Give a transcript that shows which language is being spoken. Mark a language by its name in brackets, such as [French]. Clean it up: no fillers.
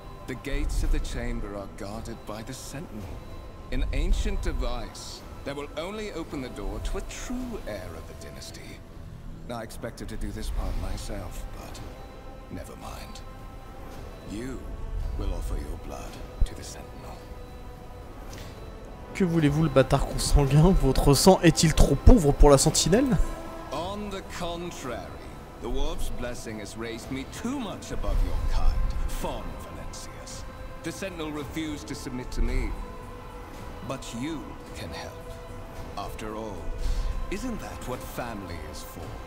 [English] The gates of the chamber are guarded by the Sentinel, an ancient device that will only open the door to a true heir of the dynasty. I expected to do this part myself, but never mind. You will offer your blood to the Sentinel. [French] Que voulez-vous, le bâtard consanguin? Votre sang est-il trop pauvre pour la Sentinelle? [English] On the contrary, the Warp's blessing has raised me too much above your kind, Fawn Valencius. The Sentinel refused to submit to me, but you can help. After all, isn't that what family is for?